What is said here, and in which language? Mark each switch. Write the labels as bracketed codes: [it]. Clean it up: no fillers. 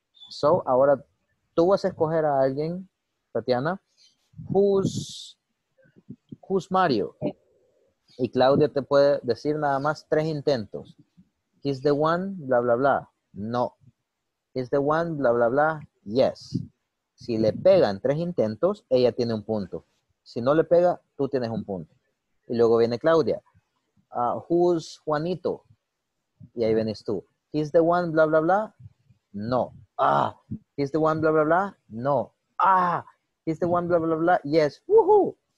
[es] So, ahora tú vas a escoger a alguien, Tatiana. [en] Who's Mario? [es] Y Claudia te puede decir nada más tres intentos. [en] He's the one, bla, bla, bla. No. He's the one, bla, bla, bla. Yes. [es] Si le pegan tres intentos, ella tiene un punto. Si no le pega, tú tienes un punto. Y luego viene Claudia. [en] Who's Juanito? [es] Y ahí vienes tú. [en] He's the one, bla, bla, bla. No. Ah. He's the one, bla, bla, bla. No. Ah. He's the one, bla, bla, bla. Yes. Woohoo.